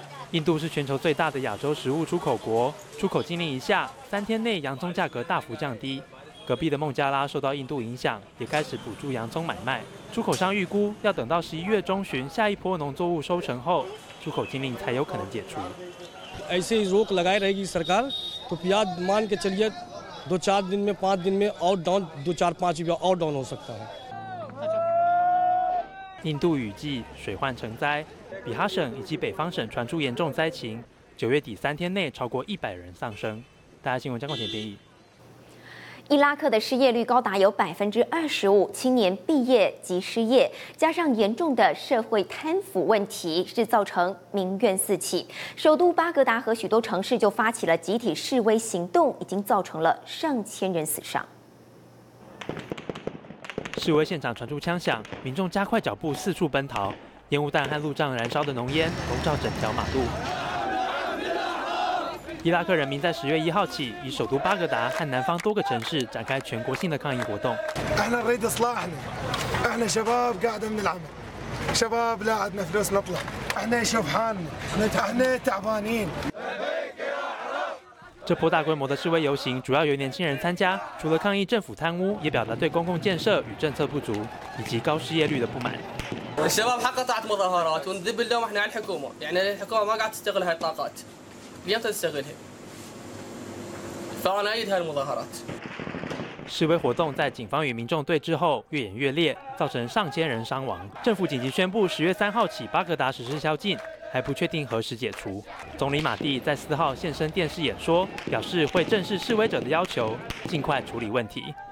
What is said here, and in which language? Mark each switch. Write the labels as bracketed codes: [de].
[zh] 印度是全球最大的亚洲食物出口国，出口禁令一下，3天内洋葱价格大幅降低。隔壁的孟加拉受到印度影响，也开始补助洋葱买卖。出口商预估要等到11月中旬下一波农作物收成后，出口禁令才有可能解除。 [hi] ऐसे ही रोक लगाए रहेगी सरकार, तो प्याज मान के चलिए 2-4 दिन में 5 दिन में और डाउन 2-4-5 रुपया और डाउन हो सकता है。 [zh] 印度雨季，水患成灾。比哈省以及北方省传出严重灾情，9月底3天内超过100人丧生。大家新闻张冠杰编译。伊拉克的失业率高达有25%，青年毕业即失业，加上严重的社会贪腐问题，是造成民怨四起。首都巴格达和许多城市就发起了集体示威行动，已经造成了上千人死伤。示威现场传出枪响，民众加快脚步四处奔逃。烟雾弹和路障燃烧的浓烟笼罩整条马路。伊拉克人民在10月1号起，以首都巴格达和南方多个城市展开全国性的抗议活动。这波大规模的示威游行主要由年轻人参加，除了抗议政府贪污，也表达对公共建设与政策不足以及高失业率的不满。 [ar] الشباب حقا طلعت مظاهرات ونذب اليوم احنا على الحكومة يعني الحكومة ما قاعد تستغل هاي الطاقات ليه تستغلها فأنا أيد هاي المظاهرات [zh] 示威活动在警方与民众对峙后越演越烈，造成上千人伤亡。政府紧急宣布10月3号起巴格达实施宵禁，还不确定何时解除。总理马蒂在4号现身电视演说，表示会正视示威者的要求，尽快处理问题。